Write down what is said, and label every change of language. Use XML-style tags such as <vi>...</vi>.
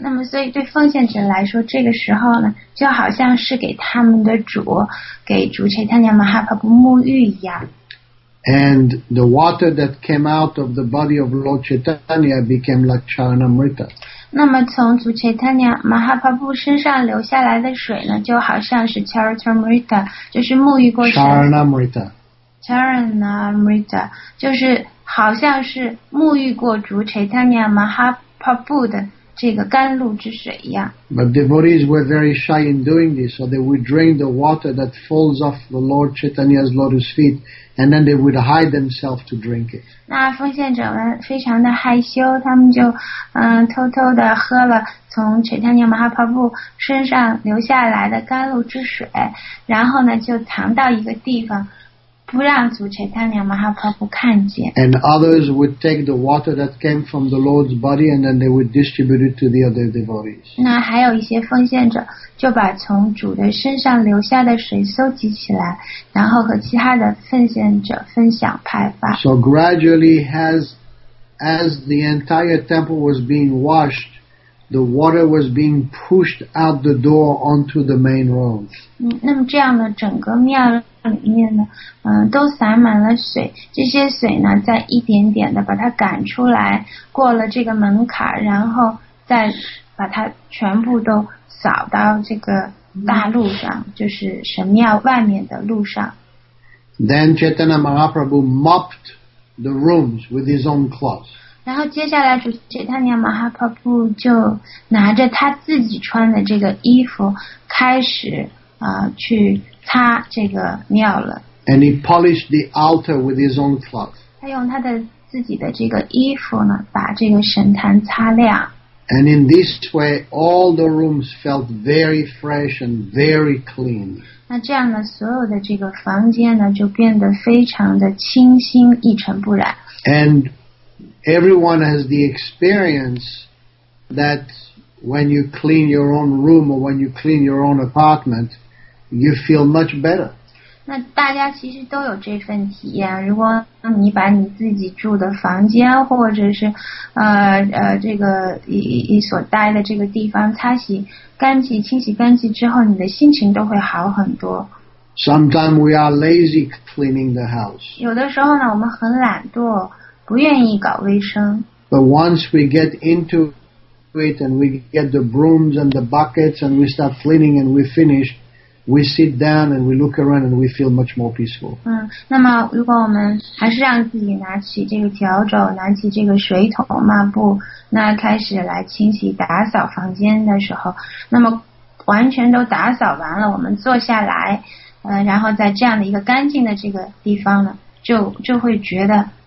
<zh>那么所以对奉献者来说，这个时候呢，就好像是给他们的主，给主陈塔尼亚马哈帕布沐浴一样。</zh> <en>And the water that came out of the body of Lord Chaitanya became like Charanamrita.</en> <zh>那么从主 Chaitanya Mahaprabhu 身上流下来的水呢，就好像是 Charanamrita， 就是沐浴过水。 Charanamrita。 Charanamrita 就是好像是沐浴过主 Chaitanya Mahaprabhu 的这个甘露之水一样。</zh> <en>But devotees were very shy in doing this, so they would drain the water that falls off the Lord Chaitanya's lotus feet, and then they would hide themselves to drink it.</en> <zh>那奉献者们非常的害羞，他们就偷偷的喝了从 Chaitanya Mahaprabhu 身上流下来的甘露之水，然后呢就藏到一个地方。不让主 Chaitanya Mahaprabhu 看见。</zh> <en>And others would take the water that came from the Lord's body and then they would distribute it to the other devotees.</en> <zh>那还有一些奉献者就把从主的身上流下的水收集起来，然后和其他的奉献者分享派发。</zh> <en>So gradually as the entire temple was being washed,the water was being pushed out the door onto the main roads.</en> <zh>那么这样的整个庙里面呢，都洒满了水。这些水呢，再一点点的把它赶出来，过了这个门槛，然后再把它全部都洒到这个大路上，就是神庙外面的路上。</zh> <en>Then Chaitanya Mahaprabhu mopped the rooms with his own cloth.</en> <zh>然后接下来主 Chaitanya Mahaprabhu 就拿着他自己穿的这个衣服开始去擦这个庙了。</zh> <en>And he polished the altar with his own cloth.</en> <zh>他用他的自己的这个衣服呢把这个神坛擦亮。</zh> <en>And in this way, all the rooms felt very fresh and very clean.</en> <zh>那这样呢所有的这个房间呢就变得非常的清新一尘不染。</zh> <en>And everyone has the experience that when you clean your own room or when you clean your own apartment, you feel much better.</en> <zh>那大家其实都有这份体验。如果你把你自己住的房间或者是这个一所待的这个地方擦洗干净、清洗干净之后，你的心情都会好很多。</zh> <en>Sometimes we are lazy cleaning the house.</en> <zh>有的时候呢，我们很懒惰。不愿意搞卫生。</zh> <en>But once we get into it and we get the brooms and the buckets and we start cleaning and we finish, we sit down and we look around and we feel much more peaceful.</en> <zh>那么如果我们还是让自己拿起这个笤帚，拿起这个水桶、抹布，那开始来清洗打扫房间的时候，那么完全都打扫完了，我们坐下来，然后在这样的一个干净的这个地方呢，就会觉得。</zh>